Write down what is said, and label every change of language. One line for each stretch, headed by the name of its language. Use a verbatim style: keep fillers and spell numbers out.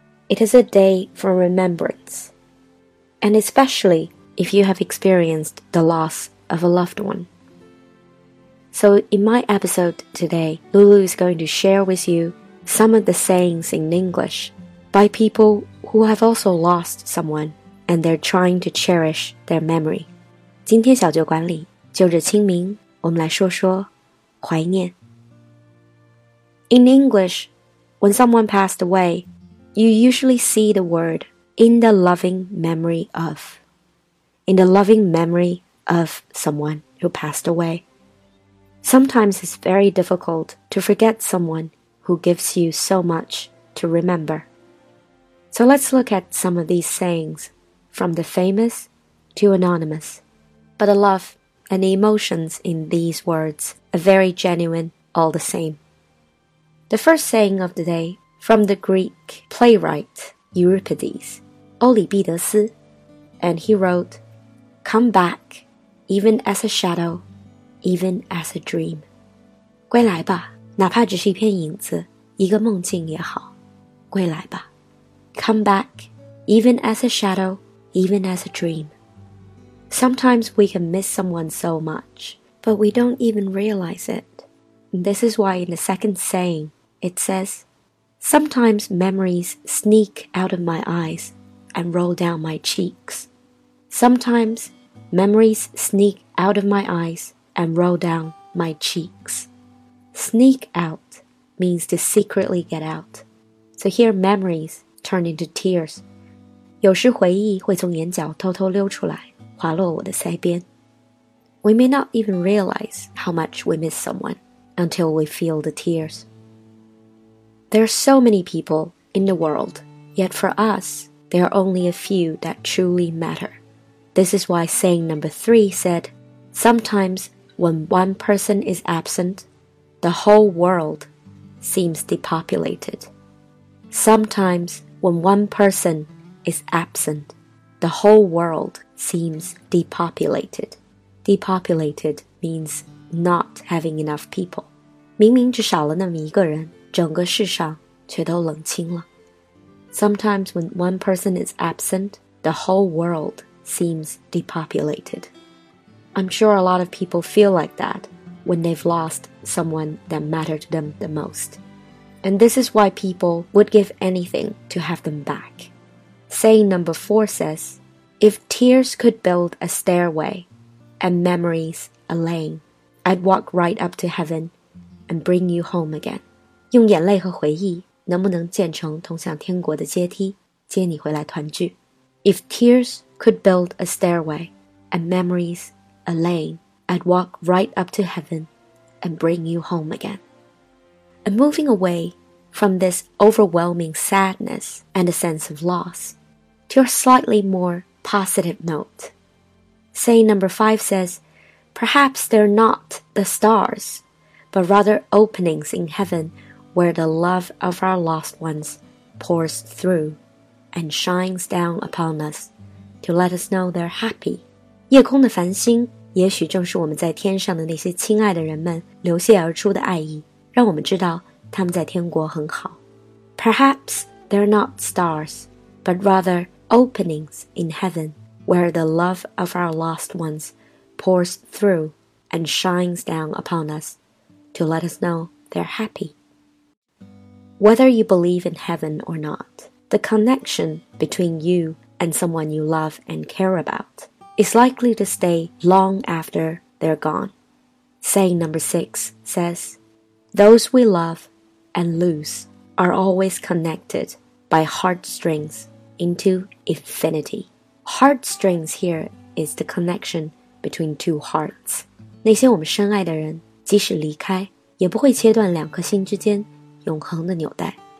English: It is a day for remembrance, and especially if you have experienced the loss of a loved one. So in my episode today, Lulu is going to share with you some of the sayings in English by people who have also lost someone and they're trying to cherish their memory.
Chinese: 今天小酒馆里，就着清明，我们来说说怀念。
English: In English, when someone passed away, you usually see the word in the loving memory of. In the loving memory of someone who passed away. Sometimes it's very difficult to forget someone who gives you so much to remember. So let's look at some of these sayings, from the famous to anonymous. But the love and the emotions in these words are very genuine all the same. The first saying of the day, from the Greek playwright Euripides, 欧里庇得斯, and he wrote, "Come back, even as a shadow, even as a dream."
Chinese: 归来吧，哪怕只是一片影子，一个梦境也好。归来吧。
English: Come back, even as a shadow, even as a dream. Sometimes we can miss someone so much, but we don't even realize it. And this is why in the second saying, it says, "Sometimes memories sneak out of my eyes and roll down my cheeks." Sometimes memories sneak out of my eyes and roll down my cheeks. Sneak out means to secretly get out. So here memories turn into tears.
Chinese: 有时回忆会从眼角偷偷溜出来，滑落我的腮边。
English: We may not even realize how much we miss someone until we feel the tears. There are so many people in the world, yet for us, there are only a few that truly matter. This is why saying number three said, "Sometimes when one person is absent, the whole world seems depopulated." Sometimes when one person is absent, the whole world seems depopulated. Depopulated means not having enough people.
Chinese: 明明只少了那么一个人，整个世上却都冷清了。
English: Sometimes when one person is absent, the whole world seems depopulated. I'm sure a lot of people feel like that when they've lost someone that mattered to them the most. And this is why people would give anything to have them back. Saying number four says, "If tears could build a stairway and memories a lane, I'd walk right up to heaven and bring you home again."
Chinese: 用眼泪和回忆能不能建成通向天国的阶梯，接你回来团聚。
English: If tears could build a stairway and memories a lane, I'd walk right up to heaven and bring you home again. And moving away from this overwhelming sadness and a sense of loss to a slightly more positive note. Saying number five says, "Perhaps they're not the stars, but rather openings in heaven where the love of our lost ones pours through and shines down upon us to let us know they're happy."
Chinese: 夜空的繁星，也许正是我们在天上的那些亲爱的人们流泻而出的爱意，让我们知道他们在天国很好。
English: Perhaps they're not stars, but rather openings in heaven where the love of our lost ones pours through and shines down upon us to let us know they're happy. Whether you believe in heaven or not, the connection between you and someone you love and care about is likely to stay long after they're gone. Saying number six says, those we love and lose are always connected by heartstrings into infinity. Heartstrings here is the connection between two hearts.
Chinese: 那些我们深爱的人，即使离开，也不会切断两颗心之间永恒的纽带。